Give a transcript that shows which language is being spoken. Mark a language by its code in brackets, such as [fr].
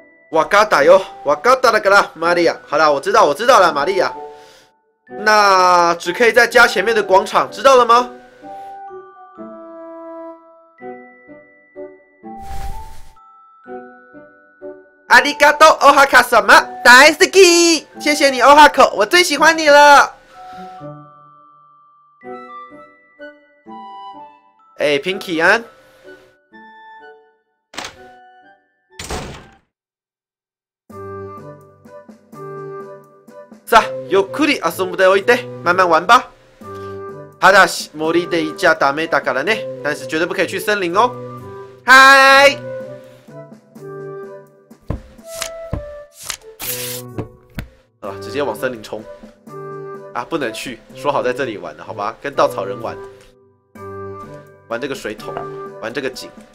[ja] わかったよ、わかっただから、マリア。 [zh] 好了，我知道了，玛丽亚。那只可以在家前面的广场，知道了吗？ [ja] ありがとう、オハカ様、大好き。 [zh] 谢谢你，オハコ，我最喜欢你了。哎，平起安。 [ja] さ、ゆっくり遊んでおいて、 [zh] 慢慢玩吧。 [ja] ただし、森でいちゃダメだからね。 [zh] 但是绝对不可以去森林哦。嗨。直接往森林冲啊！不能去，说好在这里玩的，好吧？跟稻草人玩，玩这个水桶，玩这个井。